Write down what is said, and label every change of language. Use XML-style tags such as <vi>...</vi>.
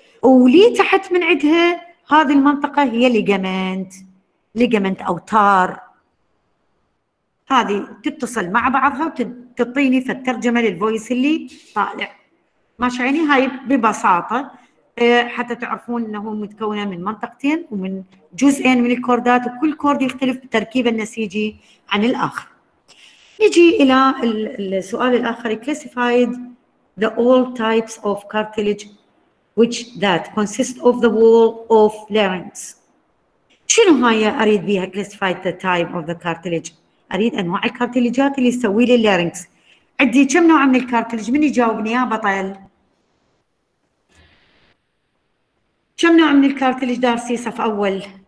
<ar>ولي تحت من عدها هذه المنطقة هي ليجمنت، ليجمنت أوتار، هذه تتصل مع بعضها وتعطيني فالترجمة للفويس اللي طالع. ماشي عيني؟ هاي ببساطة حتى تعرفون انه متكون من منطقتين ومن جزئين من الكوردات، وكل كورد يختلف بتركيبه النسيجي عن الاخر. نجي الى السؤال الاخر،</ar> <en>classified the all types of cartilage which that consist of the wall of larynx.</en> <ar>شنو هاي اريد بيها</ar> <en>classified the type of the cartilage؟</en> <ar>اريد انواع الكارتيليجات اللي يسوي لي larynx. عندي كم نوع من الكارتيليج؟ من يجاوبني يا بطل؟ كم نوع من الكارتليج دارسي صف أول؟</ar>